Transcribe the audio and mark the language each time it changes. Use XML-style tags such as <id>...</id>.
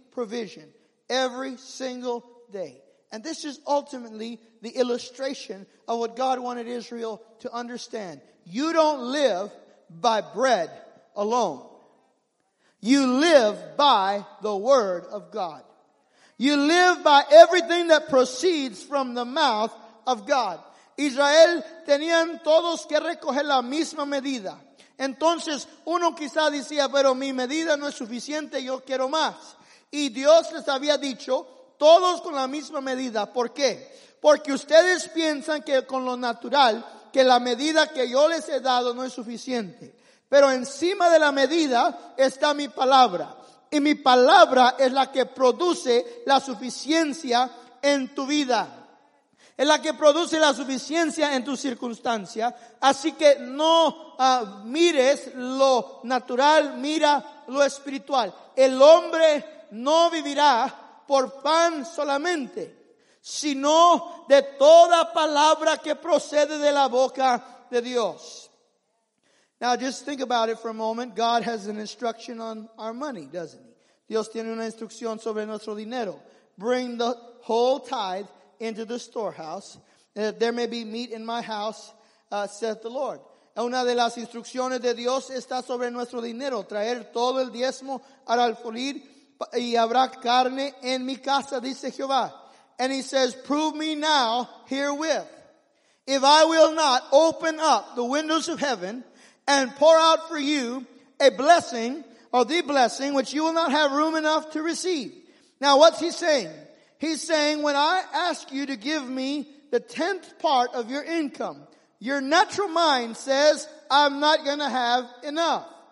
<en>provision every single day. And this is ultimately the illustration of what God wanted Israel to understand. You don't live by bread alone. You live by the word of God. You live by everything that proceeds from the mouth of God.</en> <es>Israel tenían todos que recoger la misma medida. Entonces, uno quizá decía, pero mi medida no es suficiente, yo quiero más. Y Dios les había dicho, todos con la misma medida. ¿Por qué? Porque ustedes piensan que con lo natural, que la medida que yo les he dado no es suficiente. Pero encima de la medida está mi palabra. Y mi palabra es la que produce la suficiencia en tu vida. Es la que produce la suficiencia en tu circunstancia. Así que no mires lo natural, mira lo espiritual. El hombre no vivirá por pan solamente, sino de toda palabra que procede de la boca de Dios.</es> <en>Now just think about it for a moment. God has an instruction on our money, doesn't he?</en> <es>Dios tiene una instrucción sobre nuestro dinero.</es> <en>Bring the whole tithe into the storehouse, and that there may be meat in my house, saith the Lord.</en> <es>Una de las instrucciones de Dios está sobre nuestro dinero. Traer todo el diezmo al alfolir y habrá carne en mi casa, dice Jehová.</es> <en>And he says, prove me now herewith. If I will not open up the windows of heaven and pour out for you a blessing, or the blessing, which you will not have room enough to receive. Now, what's he saying? He's saying, when I ask you to give me the tenth part of your income, your natural mind says, I'm not going to have enough.</en>